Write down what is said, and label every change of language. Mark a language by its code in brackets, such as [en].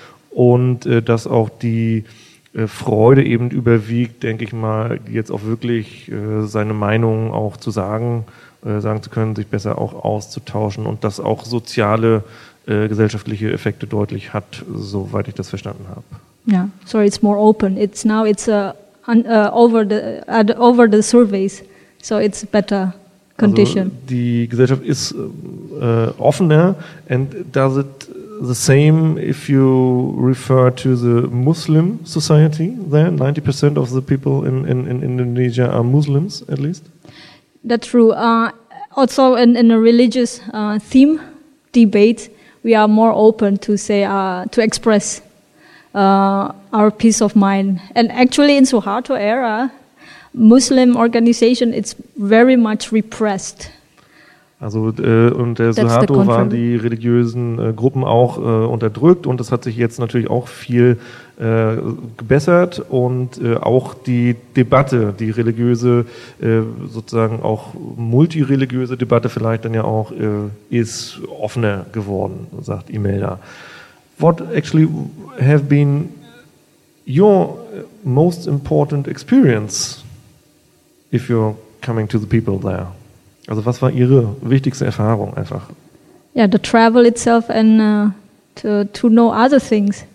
[de] Und dass auch die Freude eben überwiegt, denke ich mal, jetzt auch wirklich seine Meinung auch zu sagen, sagen zu können, sich besser auch auszutauschen und das auch soziale, gesellschaftliche Effekte deutlich hat, soweit ich das verstanden habe. [en] Yeah, so it's more open. It's now it's over the surveys, so it's better. Condition. [de] Also die Gesellschaft ist offener, [en] and does it the same if you refer to the Muslim society there? 90% of the people in Indonesia are Muslims, at least? That's true. Also in a religious theme debate, we are more open to say, to express our peace of mind. And actually in Suharto era, Muslim organization, it's very much repressed. [de] Also und der Suharto waren die religiösen Gruppen auch unterdrückt und das hat sich jetzt natürlich auch viel gebessert und auch die Debatte, die religiöse, sozusagen auch multireligiöse Debatte vielleicht dann ja auch ist offener geworden, sagt Imelda. [en] What actually have been your most important experience if you're coming to the people there? [de] Also was war Ihre wichtigste Erfahrung einfach? [en] Yeah, the travel itself and to know other things.